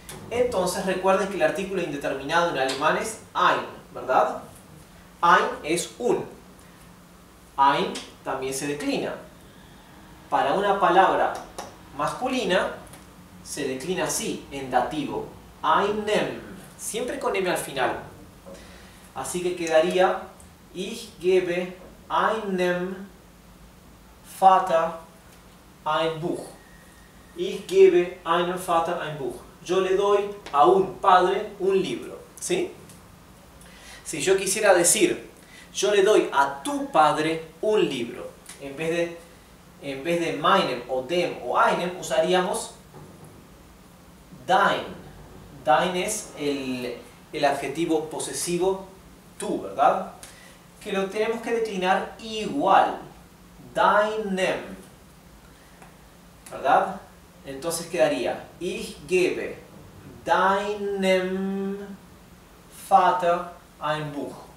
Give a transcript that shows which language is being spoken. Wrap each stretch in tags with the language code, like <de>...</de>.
<es>Entonces recuerden que el artículo indeterminado en alemán es ein, ¿verdad? Ein es un. Ein también se declina. Para una palabra masculina se declina así, en dativo. Einem, siempre con m al final. Así que quedaría</es> <de>ich gebe einem Vater ein Buch. Ich gebe einem Vater ein Buch.</de> <es>Yo le doy a un padre un libro, ¿sí? Si yo quisiera decir, yo le doy a tu padre un libro, en vez de meinem o dem o einem, usaríamos dein. Dein es el adjetivo posesivo tú, ¿verdad? Que lo tenemos que declinar igual. Deinem. ¿Verdad? Entonces quedaría</es> <de>ich gebe deinem Vater ein Buch.</de>